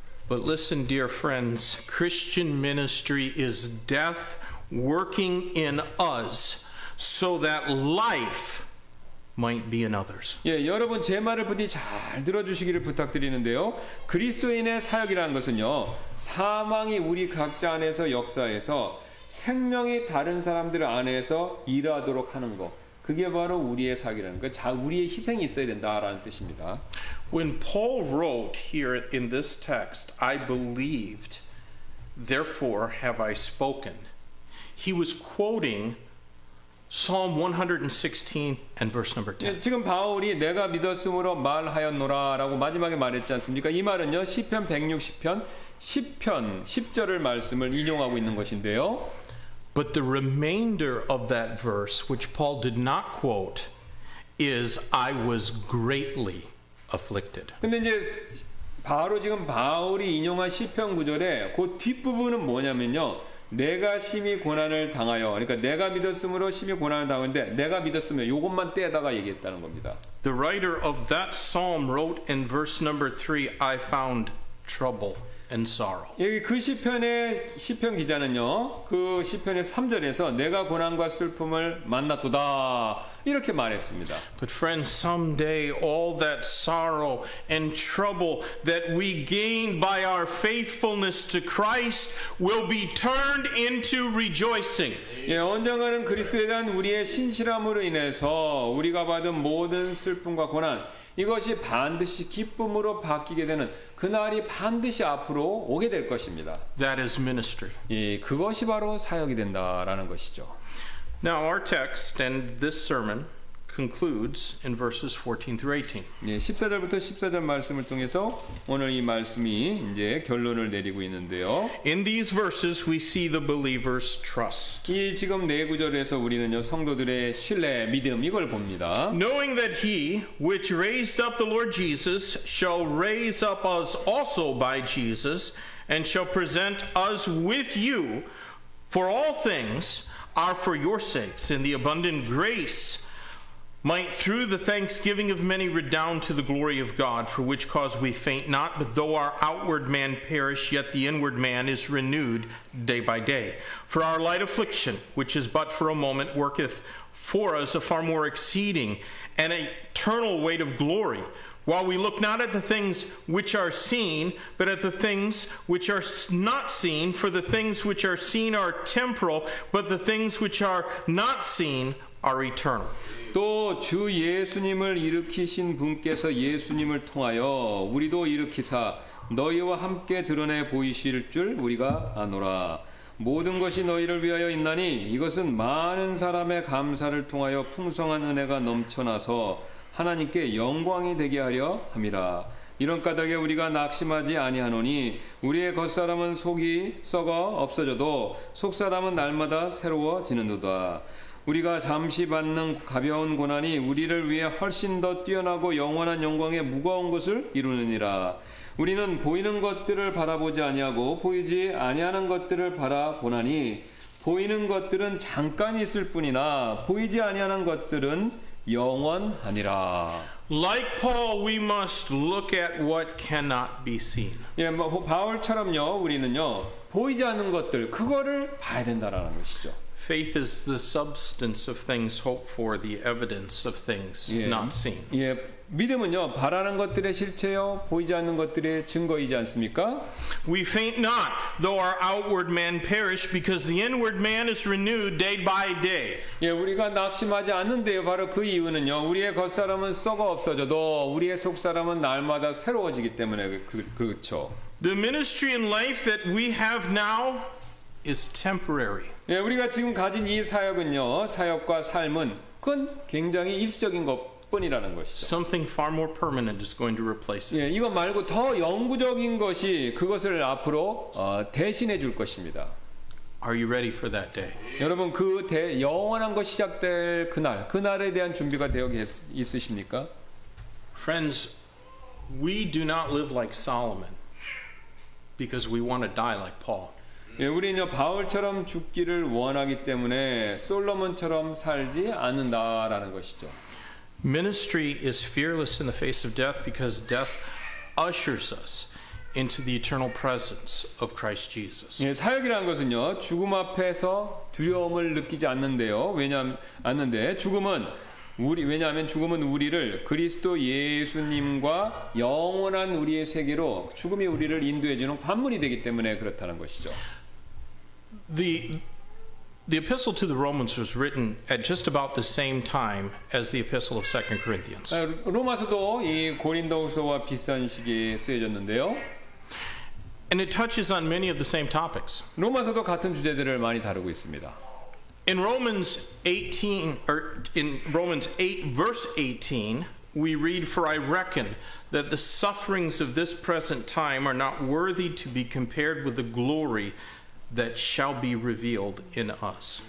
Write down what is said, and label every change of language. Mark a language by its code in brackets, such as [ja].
[en] But listen, dear friends, Christian ministry is death working in us so that life might be in others. [ko] 예, 여러분 제 말을 부디 잘 들어주시기를 부탁드리는데요. 그리스도인의 사역이라는 것은요, 사망이 우리 각자 안에서 역사해서 생명이 다른 사람들 안에서 일하도록 하는 것, 그게 바로 우리의 사역이라는 것, 우리의 희생이 있어야 된다라는 뜻입니다. [en] When Paul wrote here in this text, I believed, therefore have I spoken. He was quoting Psalm 116 and verse number 10. [ko] 예, 지금 바울이 내가 믿었으므로 말하였노라라고 마지막에 말했지 않습니까? 이 말은요, 시편 160편 10편 10절을 말씀을 인용하고 있는 것인데요. [en] But the remainder of that verse which Paul did not quote is I was greatly afflicted. [ko] 근데 이제 바로 지금 바울이 인용한 시편 구절의 그 뒷부분은 뭐냐면요, 내가 심히 고난을 당하여 그러니까 내가 믿었으므로 심히 고난을 당하는데 내가 믿었으면 이것만 떼다가 얘기했다는 겁니다. [en] The writer of that psalm wrote in verse number 3 I found trouble and sorrow. [ko] 여기 그 시편의 시편 기자는요. 그 시편의 3절에서 내가 고난과 슬픔을 만났도다. 이렇게 말했습니다. [en] But friends, someday all that sorrow and trouble that we gain by our faithfulness to Christ will be turned into rejoicing. [ko] 예, 언젠가는 그리스도에 대한 우리의 신실함으로 인해서 우리가 받은 모든 슬픔과 고난 이것이 반드시 기쁨으로 바뀌게 되는 그날이 반드시 앞으로 오게 될 것입니다. [en] That is ministry. [ko] 예, 그것이 바로 사역이 된다라는 것이죠. [en] Now our text and this sermon concludes in verses 14 through 18. [ko] 예, 14절부터 14절 말씀을 통해서 오늘 이 말씀이 이제 결론을 내리고 있는데요. [en] In these verses we see the believer's trust. [ko] 이 지금 네 구절에서 우리는요 성도들의 신뢰, 믿음 이걸 봅니다. [en] Knowing that he which raised up the Lord Jesus shall raise up us also by Jesus and shall present us with you for all things are for your sakes in the abundant grace might through the thanksgiving of many redound to the glory of God for which cause we faint not but though our outward man perish yet the inward man is renewed day by day for our light affliction which is but for a moment worketh for us a far more exceeding and eternal weight of glory while we look not at the things which are seen but at the things which are not seen for the things which are seen are temporal but the things which are not seen are eternal [ko] 또 주 예수님을 일으키신 분께서 예수님을 통하여 우리도 일으키사 너희와 함께 드러내 보이실 줄 우리가 아노라 모든 것이 너희를 위하여 있나니 이것은 많은 사람의 감사를 통하여 풍성한 은혜가 넘쳐나서 하나님께 영광이 되게 하려 함이라. 이런 까닭에 우리가 낙심하지 아니하노니 우리의 겉사람은 속이 썩어 없어져도 속사람은 날마다 새로워지는도다. 우리가 잠시 받는 가벼운 고난이 우리를 위해 훨씬 더 뛰어나고 영원한 영광의 무거운 것을 이루느니라. 우리는 보이는 것들을 바라보지 아니하고 보이지 아니하는 것들을 바라보나니 보이는 것들은 잠깐 있을 뿐이나 보이지 아니하는 것들은 영원하니라. [en] Like Paul, we must look at what cannot be seen. [ko] 예, 뭐 바울처럼요, 우리는요 보이지 않는 것들 그거를 봐야 된다라는 것이죠. [en] Faith is the substance of things hoped for, the evidence of things not seen. [ko] 예, 믿음은요 바라는 것들의 실체요, 보이지 않는 것들의 증거이지 않습니까? [en] We faint not, though our outward man perish, because the inward man is renewed day by day. [ko] 예, 우리가 낙심하지 않는데요, 바로 그 이유는요, 우리의 겉사람은 썩어 없어져도 우리의 속사람은 날마다 새로워지기 때문에 그렇죠. [en] The ministry and life that we have now is temporary. [ko] 예, 우리가 지금 가진 이 사역은요, 사역과 삶은 그건 굉장히 일시적인 것. [en] Something far more permanent is going to replace it. [ko] 예, 이거 말고 더 영구적인 것이 그것을 앞으로 대신해 줄 것입니다. [en] Are you ready for that day? [ko] 여러분 그 영원한 것 시작될 그날, 그날에 대한 준비가 되어 있으십니까? [en] Friends, we do not live like Solomon because we want to die like Paul. [ko] 예, 우리는 바울처럼 죽기를 원하기 때문에 솔로몬처럼 살지 않는다라는 것이죠. [en] Ministry is fearless in the face of death because death ushers us into the eternal presence of Christ Jesus. [ko] 예, 사역이라는 것은요 죽음 앞에서 두려움을 느끼지 않는데요 왜냐하면 죽음은 우리를 그리스도 예수님과 영원한 우리의 세계로 죽음이 우리를 인도해 주는 관문이 되기 때문에 그렇다는 것이죠. [en] The epistle to the Romans was written at just about the same time as the epistle of 2 Corinthians. [ko] 로마서도 이 고린도후서와 비슷한 시기에 쓰여졌는데요. [en] And it touches on many of the same topics. [ko] 로마서도 같은 주제들을 많이 다루고 있습니다. [en] In Romans 18 or in Romans 8 verse 18, we read for I reckon that the sufferings of this present time are not worthy to be compared with the glory that shall be revealed in us.